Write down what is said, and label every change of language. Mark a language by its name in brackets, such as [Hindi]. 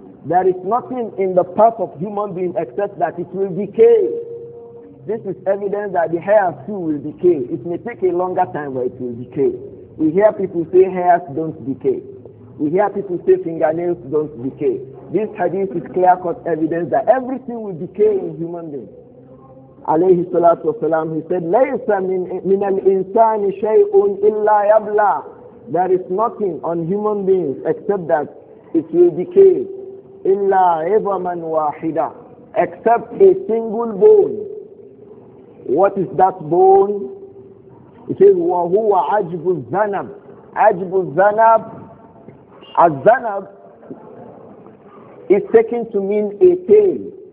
[English] There is nothing in the path of human being except that it will decay. This is evidence that the hairs too will decay. It may take a longer time, but it will decay. We hear people say hairs don't decay. We hear people say fingernails don't decay. This hadith is clear-cut evidence that everything will decay in human beings. [Arabic] Alayhi salatu wasalam, [English] he said, [Arabic] لَيْسَ مِنْ الْإِنسَانِ شَيْءٌ إِلَّا يَبْلَى. [English] There is nothing on human beings except that it will decay. Illa Ibaman Wahida, except a single bone. What is that bone? It says, Wahuwa Ajbu Zanab. Ajbu Zanab, a Zanab is taken to mean a tail.